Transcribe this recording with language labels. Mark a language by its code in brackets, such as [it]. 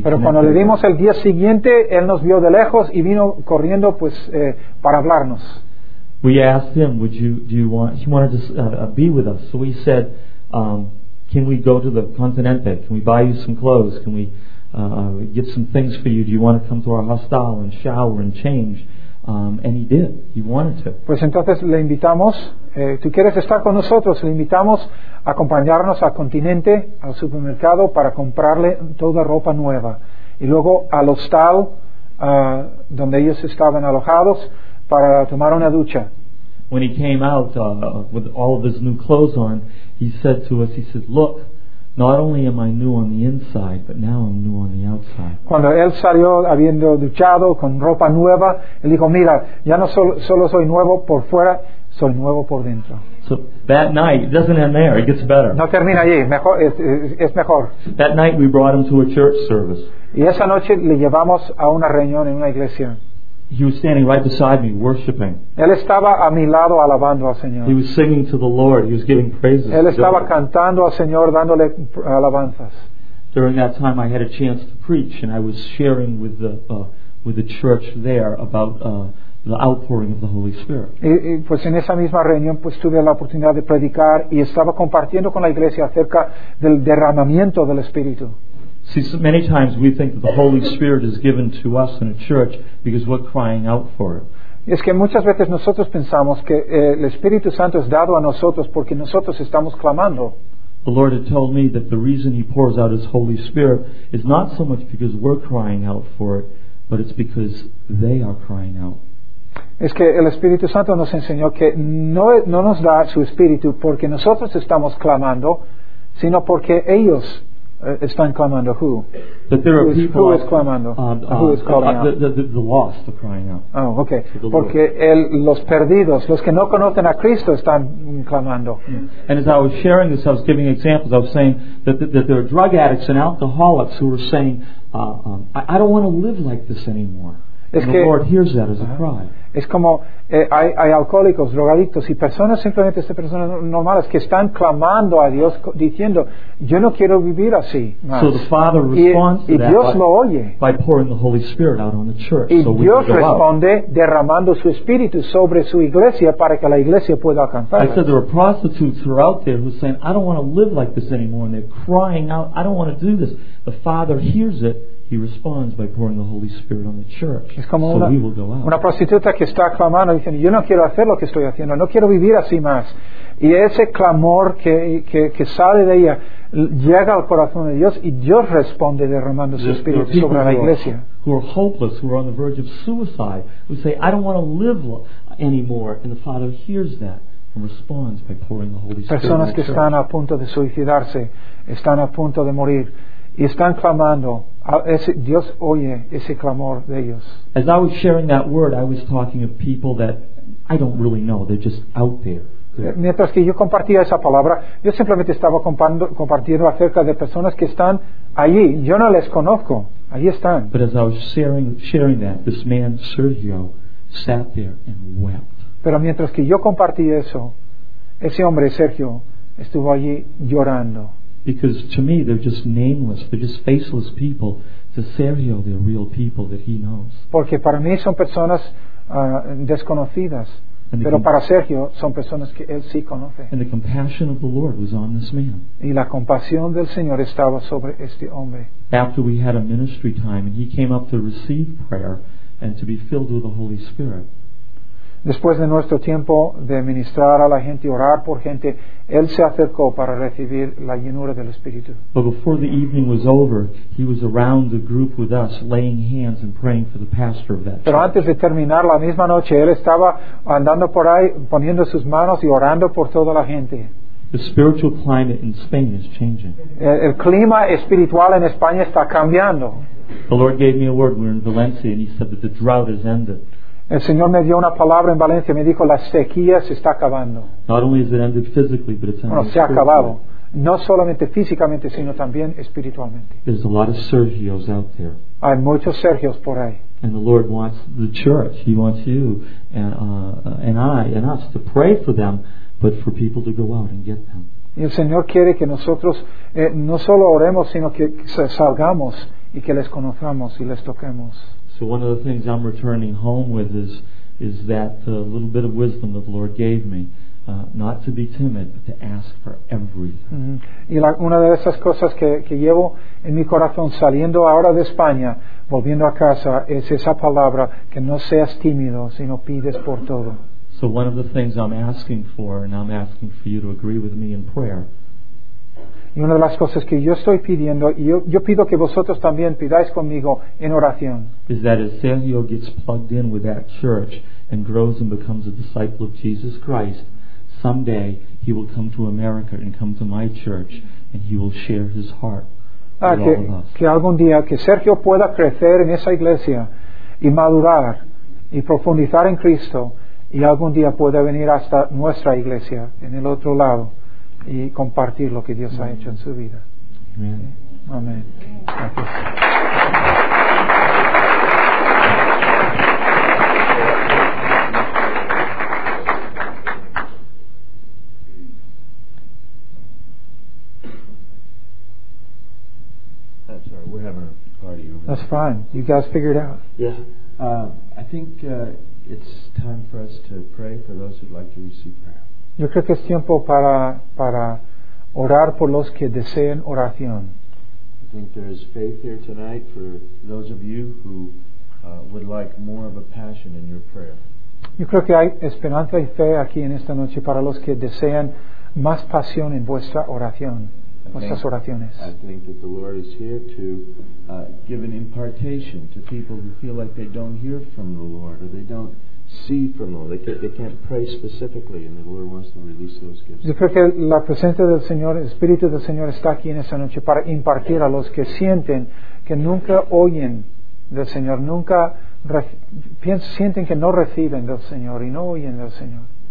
[es] pero cuando le dimos el día siguiente él nos vio de lejos y vino corriendo pues para hablarnos. [en] We asked him, he wanted to be with us, so we said, can we go to the Continente, can we buy you some clothes, can we get some things for you, do you want to come to our hostel and shower and change? And he did. He wanted to. [es] Pues entonces le invitamos. Tú quieres estar con nosotros. Le invitamos a acompañarnos al Continente, al supermercado, para comprarle toda ropa nueva, y luego al hostal donde ellos estaban alojados para tomar una ducha. [en] When he came out with all of his new clothes on, he said to us, he said, "Look, not only am I new on the inside, but now I'm new on the outside." [es] Cuando él salió habiendo duchado con ropa nueva, él dijo, "Mira, ya no solo soy nuevo por fuera, soy nuevo por dentro." [en] So that night, it doesn't end there; it gets better. [es] No termina allí. Es mejor. [en] That night, we brought him to a church service. [es] Y esa noche le llevamos a una reunión en una iglesia. [en] He was standing right beside me, worshiping. [es] Él estaba a mi lado alabando al Señor. [en] He was singing to the Lord. He was giving praises. [es] Él estaba cantando al Señor, dándole alabanzas. [en] During that time, I had a chance to preach, and I was sharing with the church there about the outpouring of the Holy Spirit. [es] Y pues en esa misma reunión, pues tuve la oportunidad de predicar y estaba compartiendo con la iglesia acerca del derramamiento del Espíritu. [en] See, so many times we think that the Holy Spirit is given to us in a church because we're crying out for it. [es] Es que muchas veces nosotros pensamos que el Espíritu Santo es dado a nosotros porque nosotros estamos clamando. [en] the Lord had told me that the reason He pours out His Holy Spirit is not so much because we're crying out for it, but it's because they are crying out. [es] Es que el Espíritu Santo nos enseñó que no nos da su Espíritu porque nosotros estamos clamando, sino porque ellos están clamando. [en] Who? That there are people who is clamando? Who is calling out? The lost are crying out. Oh, okay. [es] Porque los perdidos, los que no conocen a Cristo, están clamando. [en] And as I was sharing this, I was giving examples. I was saying that there are drug addicts and alcoholics who are saying, I don't want to live like this anymore. [es] Es [en] and [es] que, [en] the Lord hears that as a cry. [es] Es como hay alcohólicos, drogadictos y personas, simplemente estas personas normales que están clamando a Dios diciendo, yo no quiero vivir así más. [en] So the Father responds [es] y Dios lo oye. [en] By pouring the Holy Spirit out on the church. [es] Y [en] so [es] Dios responde [en] out. [es] Derramando su Espíritu sobre su iglesia para que la iglesia pueda alcanzar. [en] I said there are prostitutes who are out there who are saying, I don't want to live like this anymore, and they're crying out, I don't want to do this. The Father hears it. He responds by pouring the Holy Spirit on the church. [es] Es como [en] so we will go out. [es] Una prostituta que está clamando diciendo, yo no quiero hacer lo que estoy haciendo, no quiero vivir así más. Y ese clamor que sale de ella llega al corazón de Dios y Dios responde derramando su Espíritu sobre la iglesia. [en] Who are hopeless, who are on the verge of suicide, who say, I don't want to live anymore, and the Father hears that. Responds by pouring the Holy Spirit. [es] Personas que [en] church. [es] Están a punto de suicidarse, están a punto de morir y están clamando. Dios oye ese clamor de ellos. [en] As I was sharing that word, I was talking of people that I don't really know. They're just out there. [es] Mientras que yo compartía esa palabra, yo simplemente estaba compartiendo acerca de personas que están allí. Yo no les conozco. Allí están. [en] But as I was sharing that, this man Sergio sat there and wept. [es] Pero mientras que yo compartí eso, ese hombre Sergio estuvo allí llorando. [en] Because to me they're just nameless, they're just faceless people. To Sergio, they're real people that he knows. [es] Porque para mí son personas desconocidas, pero para Sergio son personas que él sí conoce. [en] And the compassion of the Lord was on this man. [es] Y la compasión del Señor estaba sobre este hombre. [en] After we had a ministry time and he came up to receive prayer and to be filled with the Holy Spirit. [es] Después de nuestro tiempo de ministrar a la gente, orar por gente, él se acercó para recibir la llenura del Espíritu. [en] But before the evening was over, he was around the group with us, laying hands and praying for the pastor of that church. [es] Pero antes de terminar la misma noche, él estaba andando por ahí, poniendo sus manos y orando por toda la gente. [en] The spiritual climate in Spain is changing. [es] El clima espiritual en España está cambiando. [en] The Lord gave me a word. We're in Valencia, and He said that the drought has ended. [es] El Señor me dio una palabra en Valencia, me dijo, la sequía se está acabando. [en] Not only has it ended physically, but it's ended spiritually. [es] Bueno, se ha acabado. No solamente físicamente, sino también espiritualmente. [en] There's a lot of Sergios out there. [es] Hay muchos Sergios por ahí. [en] And the Lord wants the church, He wants you and us to pray for them, but for people to go out and get them. [es] Y el Señor quiere que nosotros no solo oremos, sino que salgamos y que les conozcamos y les toquemos. [en] So one of the things I'm returning home with is that little bit of wisdom that the Lord gave me, not to be timid, but to ask for everything. Mm-hmm. [es] Y una de esas cosas que llevo en mi corazón saliendo ahora de España, volviendo a casa, es esa palabra, que no seas tímido, sino pides por todo. [en] So one of the things I'm asking for, and I'm asking for you to agree with me in prayer. [es] Y una de las cosas que yo estoy pidiendo, y yo pido que vosotros también pidáis conmigo en oración, [en] is that as Sergio gets plugged in with that church and grows and becomes a disciple of Jesus Christ, someday he will come to America and come to my church and he will share his heart with all of us. [es] Que algún día que Sergio pueda crecer en esa iglesia y madurar y profundizar en Cristo y algún día pueda venir hasta nuestra iglesia en el otro lado y compartir lo que Dios ha hecho en su vida. Amén. Amén. Gracias. [en] That's all right. We're having a party over. That's fine. You guys figured out. Yeah. I think it's time for us to pray for those who'd like to receive prayer. [es] Yo creo que es tiempo para orar por los que deseen oración. [en] I think there's faith here tonight for those of you who would like more of a passion in your prayer. [es] Yo creo que hay esperanza y fe aquí en esta noche para los que desean más pasión en vuestra oración, vuestras oraciones. [en] I think that the Lord is here to give an impartation to people who feel like they don't hear from the Lord, or they don't see from the Lord. They can't pray specifically, and the Lord wants to release those gifts. [es] Yo creo que la presencia del Señor, el Espíritu del Señor está aquí en esta noche para impartir a los que sienten que nunca oyen del Señor, nunca sienten que no reciben del Señor y no oyen del Señor.